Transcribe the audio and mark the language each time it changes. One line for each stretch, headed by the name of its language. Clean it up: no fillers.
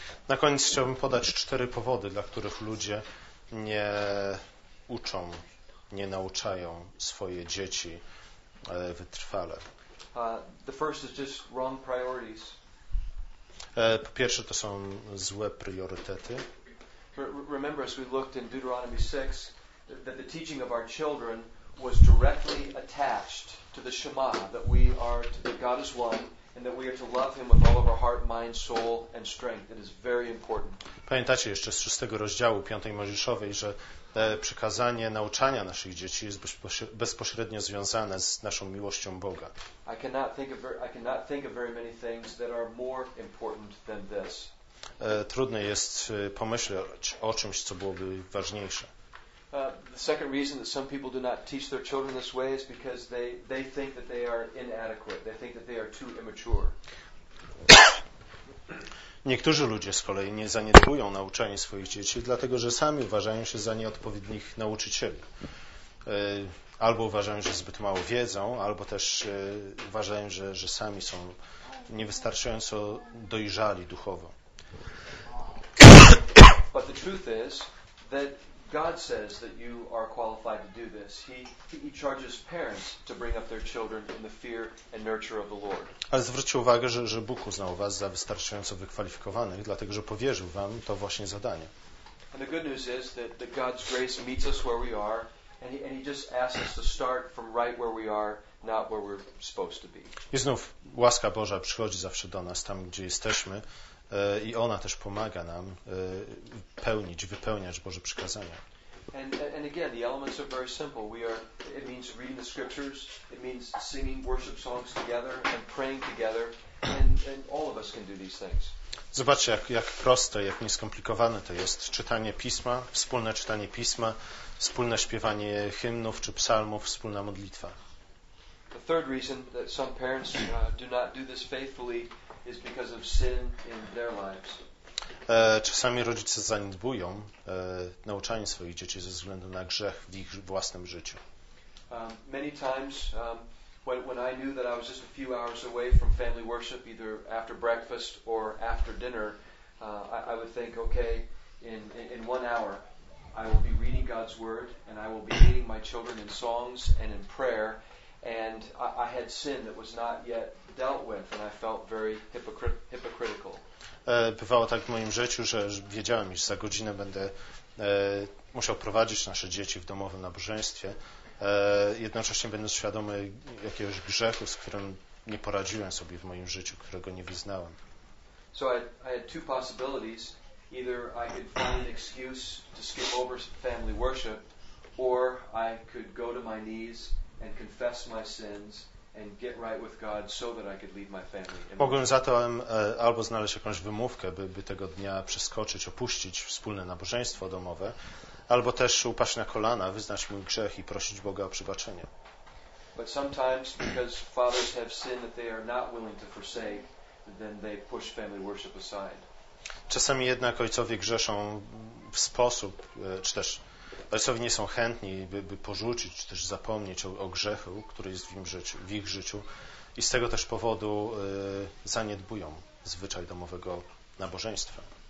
Polish: Na koniec chciałbym podać cztery powody, dla których ludzie nie uczą, nie nauczają swoje dzieci wytrwale.
English: The first is just wrong priorities.
Polish: Po pierwsze, to są złe priorytety.
English: Remember as we looked in Deuteronomy 6 that the teaching of our children was directly attached to the Shema, that God is one and that we are to love him with all of our heart, mind, soul and strength. It is very important.
Polish: Pamiętacie jeszcze z 6 rozdziału 5 Mojżeszowej, że przekazanie nauczania naszych dzieci jest bezpośrednio związane z naszą miłością Boga.
English: I cannot think of very many things that are more important than this.
Polish: Trudno jest pomyśleć o czymś, co byłoby ważniejsze.
English: The second reason that some people do not teach their children this way is because they think that they are inadequate. They think that they are too immature.
Polish: Niektórzy ludzie z kolei nie zaniedbują nauczania swoich dzieci, dlatego że sami uważają się za nieodpowiednich nauczycieli. Albo uważają, że zbyt mało wiedzą, albo też uważają, że sami są niewystarczająco dojrzali duchowo.
English: But the truth is that God says that you are qualified to do this. He charges parents to bring up their children in the fear and nurture of the Lord.
Polish: Ale zwróćcie uwagę, że Bóg uznał was za wystarczająco wykwalifikowanych, dlatego że powierzył wam to właśnie zadanie.
English: And the good news is that God's grace meets us where we are, and he just asks us to start from right where we are, not where we're supposed to be.
Polish: I znów łaska Boża przychodzi zawsze do nas tam, gdzie jesteśmy. I ona też pomaga nam pełnić, wypełniać Boże przykazania.
English: And again, the elements are very simple. We are, it means reading the scriptures, it means singing worship songs together and praying together, and all of us can do these things.
Polish: Zobaczcie, jak proste, jak nieskomplikowane to jest czytanie pisma, wspólne czytanie pisma, wspólne śpiewanie hymnów czy psalmów, wspólna modlitwa.
English: The third reason that some parents do not do this faithfully is because of sin in their lives.
Polish: Czasami rodzice zaniedbują nauczanie swoich dzieci ze względu na grzech w ich własnym życiu.
English: Many times when I knew that I was just a few hours away from family worship, either after breakfast or after dinner, I would think, okay, in 1 hour I will be reading God's word and I will be leading my children in songs and in prayer, and I had sin that was not yet dealt with, and I felt very hypocritical.
Polish: Bywało tak w moim życiu, że wiedziałem, iż za godzinę będę musiał prowadzić nasze dzieci w domowym nabożeństwie, jednocześnie będąc świadomy jakiegoś grzechu, z którym nie poradziłem sobie w moim życiu, którego nie wyznałem.
English: So I had two possibilities. Either I could find an excuse to skip over family worship, or I could go to my knees and confess my sins and get right with God so that I could leave my family.
Polish: Mogłem zatem albo znaleźć jakąś wymówkę, by tego dnia przeskoczyć, opuścić wspólne nabożeństwo domowe, albo też upaść na kolana, wyznać mój grzech i prosić Boga o przebaczenie.
English: But sometimes because fathers have sin that they are not willing to forsake, then they push family worship aside.
Polish: Czasami jednak ojcowie grzeszą w sposób, czy też ojcowie nie są chętni, by porzucić czy też zapomnieć o grzechu, który jest w ich życiu, i z tego też powodu zaniedbują zwyczaj domowego nabożeństwa.